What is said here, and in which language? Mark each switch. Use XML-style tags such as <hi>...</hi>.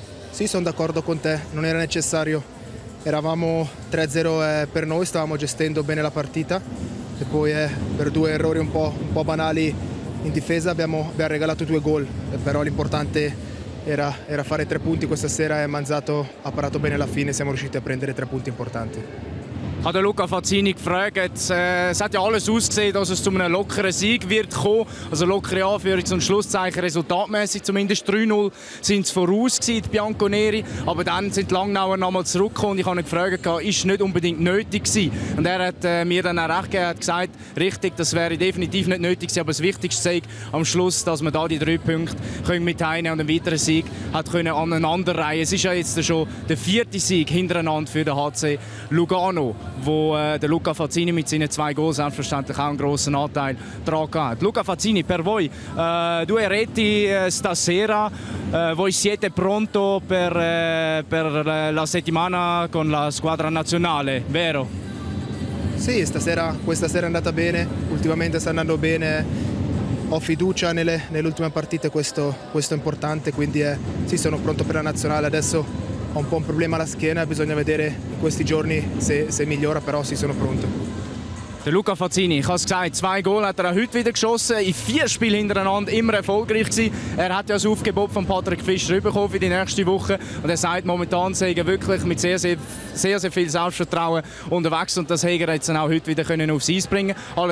<it>Sì, sono d'accordo con te, non era necessario. Eravamo 3-0 per noi, stavamo gestendo bene la partita e poi per due errori un po' banali in difesa abbiamo regalato due gol, però l'importante era fare tre punti questa sera e Manzato ha parato bene alla fine, siamo riusciti a prendere tre punti importanti.</it> <de>Hat der Luca Fazzini gefragt, es hat ja alles ausgesehen, dass es zu einem lockeren Sieg wird kommen. Also lockere Anführungs- und Schlusszeichen, resultatmäßig zumindest 3-0 sind es voraus gewesen, Bianconeri. Aber dann sind die Langnauer nochmal zurückgekommen und ich habe ihn gefragt, ob es nicht unbedingt nötig war. Und er hat mir dann auch recht gegeben, hat gesagt, richtig, das wäre definitiv nicht nötig gewesen, aber das Wichtigste sei am Schluss, dass wir da die drei Punkte können mit einnehmen und einen weiteren Sieg hat können aneinander reihen. Es ist ja jetzt schon der vierte Sieg hintereinander für den HC Lugano, wo der Luca Fazzini mit seinen zwei Goals selbstverständlich auch einen grossen Anteil daran hat.</de> <it>Luca Fazzini, per voi, due reti stasera, voi siete pronto per la settimana con la squadra nazionale, vero? Sì, questa sera è andata bene, ultimamente sta andando bene, ho fiducia nelle ultime partite, questo è importante, quindi sì, sono pronto per la nazionale adesso. Ho un po' un problema alla schiena, bisogna vedere in questi giorni se migliora, però sì, sono pronto.</it> <de>Der Luca Fazzini, ich habe es gesagt, zwei Goal hat er auch heute wieder geschossen, in vier Spielen hintereinander immer erfolgreich gewesen. Er hat ja das Aufgebot von Patrick Fischer bekommen für die nächste Woche und er sagt, momentan sei er wirklich mit sehr, sehr, sehr viel Selbstvertrauen unterwegs und das hat er jetzt auch heute wieder aufs Eis bringen können.</de>